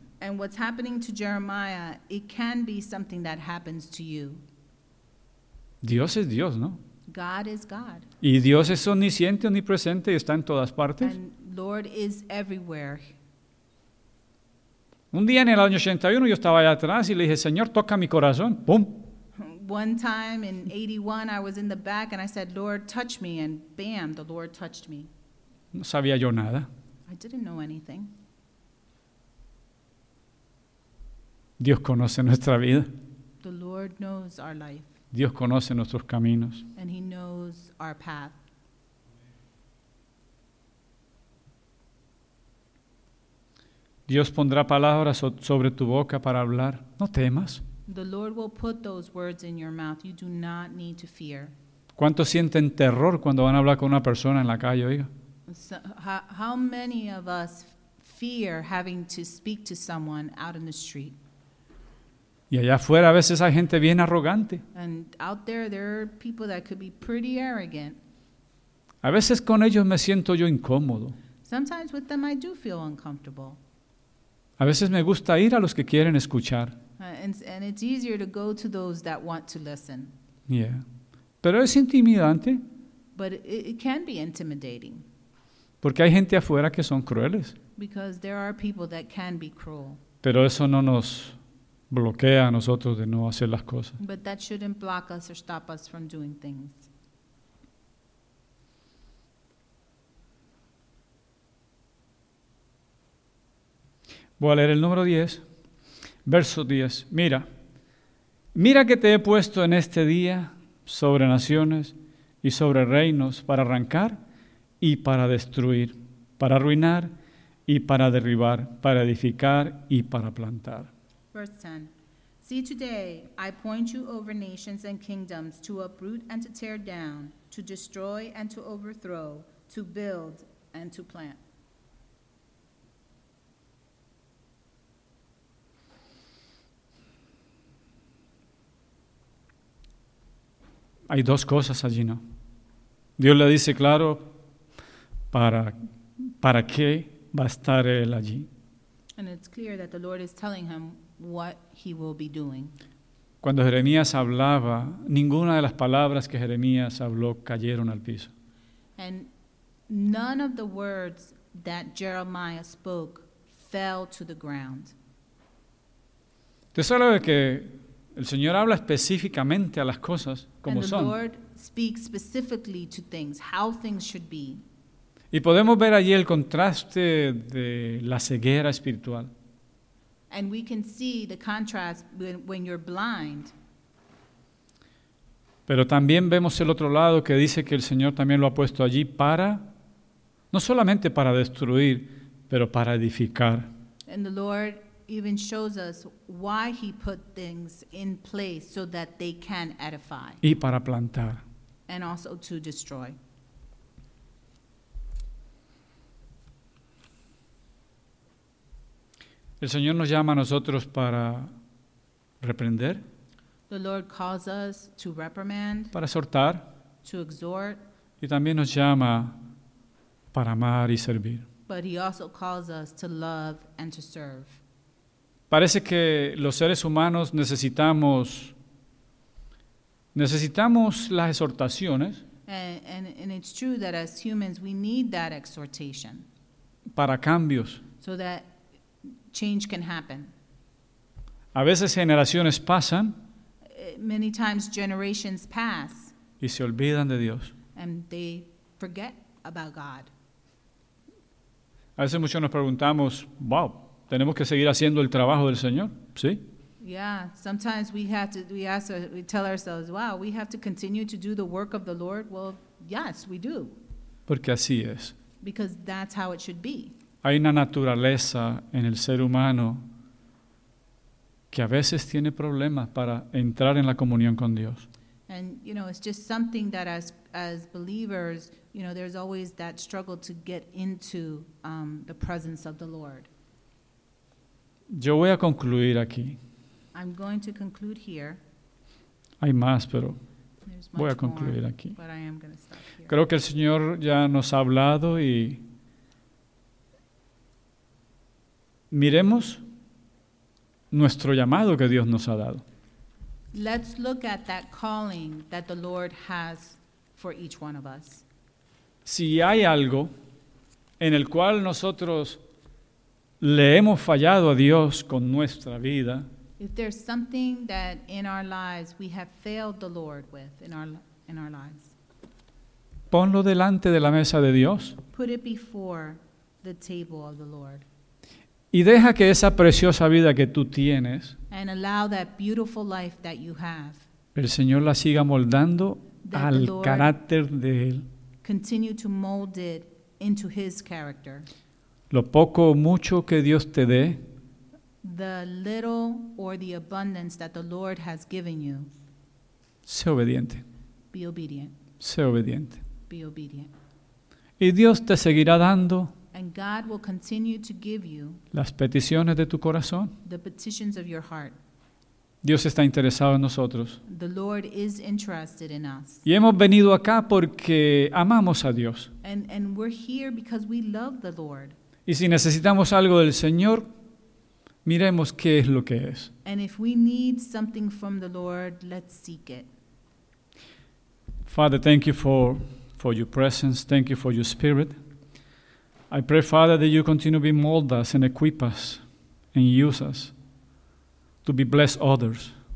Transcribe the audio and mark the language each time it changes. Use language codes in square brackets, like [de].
[en] And what's happening to Jeremiah, it can be something that happens to you. [es] Dios es Dios, ¿no? [en] God is God. [es] Y Dios es omnisciente, omnipresente y está en todas partes. [en] And Lord is everywhere. [es] Un día en el año 81 yo estaba allá atrás y le dije, Señor, toca mi corazón. ¡Pum! [en] One time in 81 I was in the back and I said, Lord, touch me. And bam, the Lord touched me. [es] No sabía yo nada. [en] I didn't know anything. [es] Dios conoce nuestra vida. [en] The Lord knows our life. [es] Dios conoce nuestros caminos. [en] And he knows our path. [es] Dios pondrá palabras sobre tu boca para hablar. No temas. [en] The Lord will put those words in your mouth. You do not need to fear. [es] ¿Cuántos sienten terror cuando van a hablar con una persona en la calle, oiga? [en] How many of us fear having to speak to someone out in the street? [es] Y allá afuera a veces hay gente bien arrogante. [en] And out there are people that could be pretty arrogant. [es] A veces con ellos me siento yo incómodo. [en] Sometimes with them I do feel uncomfortable. [es] A veces me gusta ir a los que quieren escuchar. [en] And it's easier to go to those that want to listen. [es] Yeah. Pero es intimidante. [en] But it can be intimidating. [es] Porque hay gente afuera que son crueles. [en] Because there are people that can be cruel. [es] Pero eso no nos bloquea a nosotros de no hacer las cosas. [en] But that shouldn't block us or stop us from doing things. [es] Voy a leer el número 10. Verso 10. Mira, mira que te he puesto en este día sobre naciones y sobre reinos para arrancar y para destruir, para arruinar y para derribar, para edificar y para plantar. [en] Verse 10. See, today I point you over nations and kingdoms to uproot and to tear down, to destroy and to overthrow, to build and to plant. [es] Hay dos cosas allí, ¿no? Dios le dice claro para qué va a estar él allí. [en] And it's clear that the Lord is telling him what he will be doing. [es] Cuando Jeremías hablaba, ninguna de las palabras que Jeremías habló cayeron al piso. [en] And none of the words that Jeremiah spoke fell to the ground. [es] Te solo de que el Señor habla específicamente a las cosas como son. [en] And the Lord speaks specifically to things, how things should be. [es] Y podemos ver allí el contraste de la ceguera espiritual. [en] And we can see the contrast when you're blind. [es] Pero también vemos el otro lado que dice que el Señor también lo ha puesto allí para, no solamente para destruir, pero para edificar. [en] And the Lord even shows us why he put things in place so that they can edify. [es] Y para plantar. [en] And also to destroy. [es] El Señor nos llama a nosotros para reprender. [en] The Lord calls us to reprimand. [es] Para exhortar. [en] To exhort. [es] Y también nos llama para amar y servir. [en] But he also calls us to love and to serve. [es] Parece que los seres humanos necesitamos las exhortaciones. [en] And it's true that as humans we need that exhortation. [es] Para cambios. [en] So that change can happen. [es] A veces generaciones pasan. [en] Many times generations pass. [es] Y se olvidan de Dios. [en] And they forget about God. [es] A veces muchos nos preguntamos, wow, tenemos que seguir haciendo el trabajo del Señor, ¿sí? [en] Yeah, sometimes we tell ourselves, wow, we have to continue to do the work of the Lord. Well, yes, we do. [es] Porque así es. [en] Because that's how it should be. [es] Hay una naturaleza en el ser humano que a veces tiene problemas para entrar en la comunión con Dios. [en] And, you know, it's just something that as believers, you know, there's always that struggle to get into the presence of the Lord. [es] Yo voy a concluir aquí. [en] I'm going to conclude here. [es] Hay más, pero voy a concluir [en] more, [es] aquí. [en] But I am going to stop here. [es] Creo que el Señor ya nos ha hablado y miremos nuestro llamado que Dios nos ha dado. [en] Let's look at that calling that the Lord has for each one of us. [es] Si hay algo en el cual nosotros le hemos fallado a Dios con nuestra vida, [en] if there's something that in our lives we have failed the Lord with in our lives, [es] ponlo delante de la mesa de Dios. [en] Put it before the table of the Lord. [es] Y deja que esa preciosa vida que tú tienes, [en] and allow that beautiful life that you have, [es] el Señor la siga moldando al carácter de Él. [en] Continue to mold it into His character. [es] Lo poco o mucho que Dios te dé, [en] the little or the abundance that the Lord has given you, [es] sé obediente. [en] Be obedient. [es] Sé obediente. [en] Be obedient. [es] Y Dios te seguirá dando. [en] And God will continue to give you [es] las peticiones de tu corazón. [en] The petitions of your heart. [es] Dios está interesado en nosotros. [en] The Lord is interested in us. [es] Y hemos venido acá porque amamos a Dios. [en] And we're here because we love the Lord. [es] Y si necesitamos algo del Señor, miremos qué es lo que es. [en] And if we need something from the Lord, let's seek it. Father, thank you for your presence. Thank you for your spirit. I pray, Father, that you continue to be mold us and equip us and use us to be blessed others.